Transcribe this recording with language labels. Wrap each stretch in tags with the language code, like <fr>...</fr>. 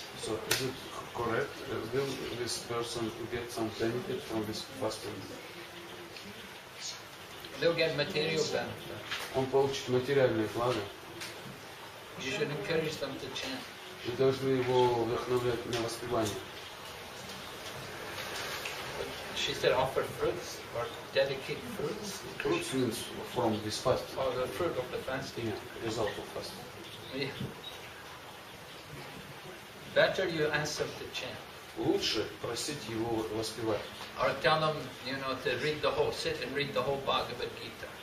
<en>So is it correct? Will this person get some benefit from this fasting? They'll get material benefit.</en> <ru>Он получит материальные блага.</ru> <en>You should encourage them to chant.</en> <ru>Вы должны его вдохновлять на воспевание.</ru> <en>She said, offer fruits or dedicate fruits. Fruits means from this fast. Oh, the fruit of the fasting. Yeah, result of fasting. Yeah. Better you ask them to chant.</en> <ru>Лучше просить его воспевать.</ru> <en>Or tell them, you know, to read the whole, sit and read the whole Bhagavad Gita.</en>